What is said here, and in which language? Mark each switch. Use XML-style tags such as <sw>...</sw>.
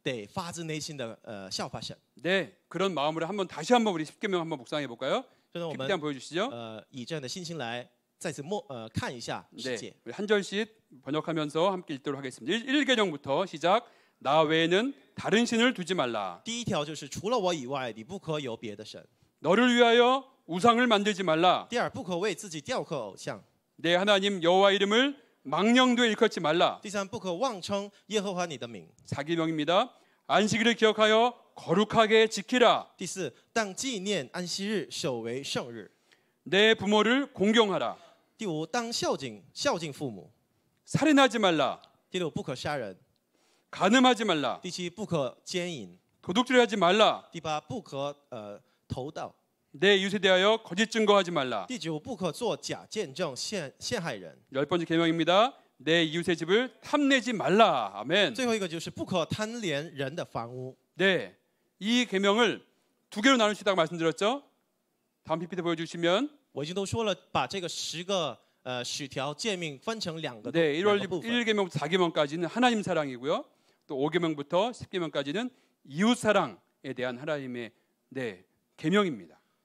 <zh>我们已经信主了，然后呢得救了，所以呢，律法对我们来说并不是一种捆绑的一种重担，而是可以效法神的一种工具，所以呢，我们得发自内心的效法神。</zh> <ko>네, 그런 마음으로 한번 다시 한번 우리 십계명 한번 묵상해 볼까요? 그래서 십계명 보여주시죠.</ko> <zh>以这样的信心来再次看一下世界。</zh> <ko>한 절씩 번역하면서 함께 읽도록 하겠습니다. 1계명부터 시작. 나 외에는 다른 신을 두지 말라.</ko> <zh>第一条就是除了我以外，你不可有别的神。</zh> <ko>너를 위하여 우상을 만들지 말라.</ko> <zh>第二，不可为自己雕刻偶像。</zh> <ko>내 하나님 여호와 이름을 망령되이 일컫지 말라.</ko> <zh>第三，不可妄称耶和华你的名。</zh> <ko>자기 명입니다. 안식일을 기억하여 거룩하게 지키라.</ko> <zh>第四，当纪念安息日，守为圣日。</zh> <ko>내 부모를 공경하라.</ko> <zh>第五，当孝敬父母。</zh> <ko>살인하지 말라.</ko> <zh>第六，不可杀人。</zh> <ko>간음하지 말라.</ko> <zh>第七，不可奸淫。</zh> <ko>도둑질하지 말라.</ko> <zh>第八，不可偷盗。</zh> <ko>내 이웃에 대하여 거짓 증거하지 말라.</ko> <zh>第九，不可作假见证陷害人。</zh> <ko>열 번째 계명입니다. 내 이웃의 집을 탐내지 말라. 아멘.</ko> <zh>最后一个就是不可贪恋人的房屋。</zh> <ko>네, 이 계명을 두 개로 나눌 수 있다고 말씀드렸죠. 다음 PPT 보여주시면.</ko> <zh>我已经都说了，把这个十个使条诫命分成两个。</zh> <ko>네, 1계명부터 4계명까지는 하나님 사랑이고요. 또 5계명부터 10계명까지는 이웃 사랑에 대한 하나님의 네 계명입니다.</ko>